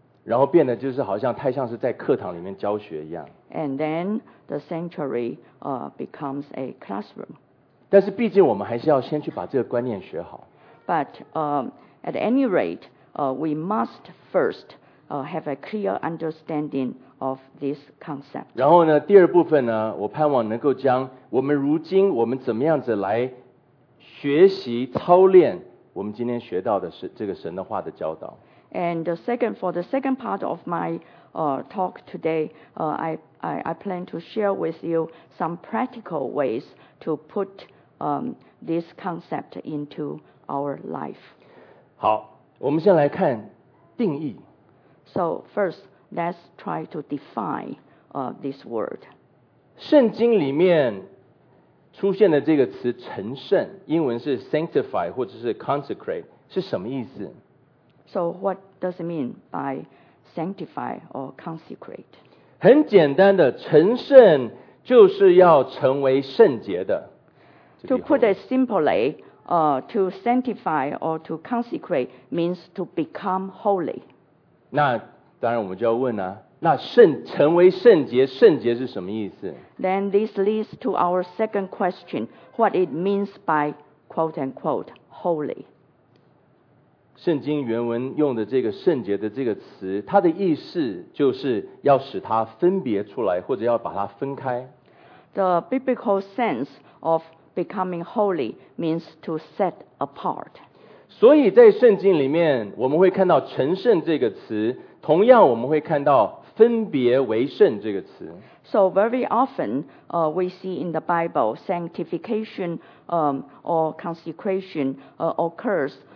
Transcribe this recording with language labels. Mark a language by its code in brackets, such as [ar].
[zh] 然后变得就是好像太像是在课堂里面教学一样。 [en] And then the sanctuary becomes a classroom. [zh] 但是毕竟我们还是要先去把这个观念学好。 [en] But at any rate, we must first have a clear understanding of this concept. [zh] 然后呢，第二部分呢，我盼望能够将我们如今我们怎么样子来学习操练我们今天学到的是这个神的话的教导。 [en] And the second, for the second part of my talk today, I plan to share with you some practical ways to put this concept into our life. [zh] 好，我们先来看定义。 [en] So first, let's try to define this word. [zh] 圣经里面出现的这个词成圣，英文是 sanctify 或者是 consecrate， 是什么意思？ [en] So what does it mean by sanctify or consecrate? [zh] 很简单的，成圣就是要成为圣洁的。 [en] To put it simply, to sanctify or to consecrate means to become holy. [zh] 那当然我们就要问啊，那圣成为圣洁，圣洁是什么意思？ [en] Then this leads to our second question, what it means by quote unquote holy. [zh] 圣经原文用的这个圣洁的这个词，它的意思就是要使它分别出来，或者要把它分开。 [en] The biblical sense of becoming holy means to set apart. [zh] 所以在圣经里面，我们会看到成圣这个词，同样我们会看到分别为圣这个词。 [en] So very often, we see in the Bible sanctification, or consecration, occurs.